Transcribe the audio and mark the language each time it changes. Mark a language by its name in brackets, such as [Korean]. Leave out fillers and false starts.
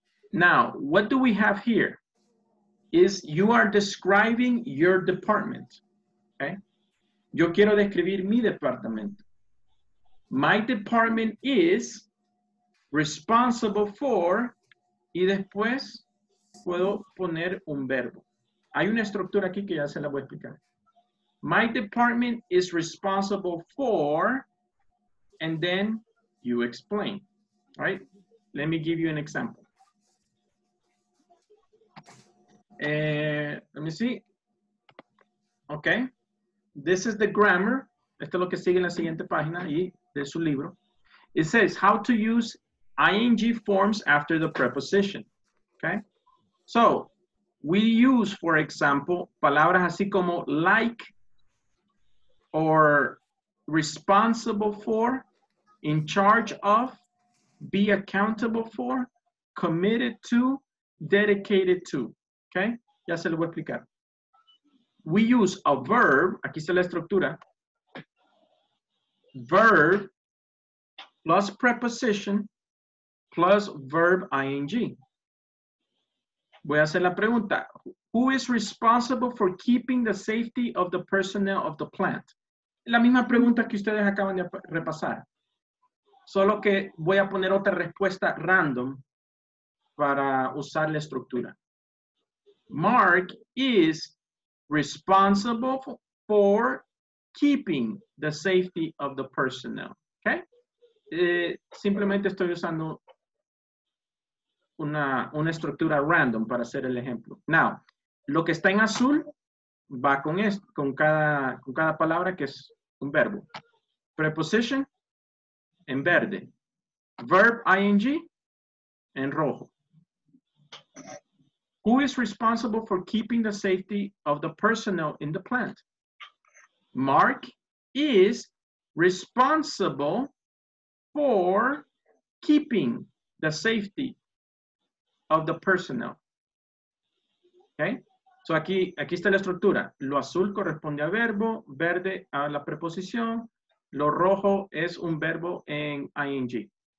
[English] Now, what do we have here? Is you are describing your department. Okay? [Spanish] Yo quiero describir mi departamento. [English] My department is responsible for... [Spanish] Y después puedo poner un verbo. Hay una estructura aquí que ya se la voy a explicar. [English] My department is responsible for, and then you explain, right? Let me give you an example. Let me see. Okay. This is the grammar. [Spanish] Esto es lo que sigue en la siguiente página y de su libro. [English] It says how to use ing forms after the preposition, okay? So, we use, for example, [Spanish] palabras así como [English] like or responsible for, in charge of, be accountable for, committed to, dedicated to, okay? [Spanish] Ya se lo voy a explicar. [English] We use a verb, [Spanish] aquí está la estructura, [English] verb plus preposition, plus verb ing. [Spanish] Voy a hacer la pregunta. [English] Who is responsible for keeping the safety of the personnel of the plant? [Spanish] La misma pregunta que ustedes acaban de repasar. Solo que voy a poner otra respuesta random para usar la estructura. [English] Mark is responsible for keeping the safety of the personnel. Okay? [Spanish] Simplemente estoy usando una estructura random para hacer el ejemplo. Now, lo que está en azul va con esto, con cada palabra que es un verbo. Preposition en verde. Verb ing en rojo. [English] Who is responsible for keeping the safety of the personnel in the plant? Mark is responsible for keeping the safety of the personnel. [Spanish] Okay? So aquí está la estructura. Lo azul corresponde a verbo, verde a la preposición, lo rojo es un verbo en ing.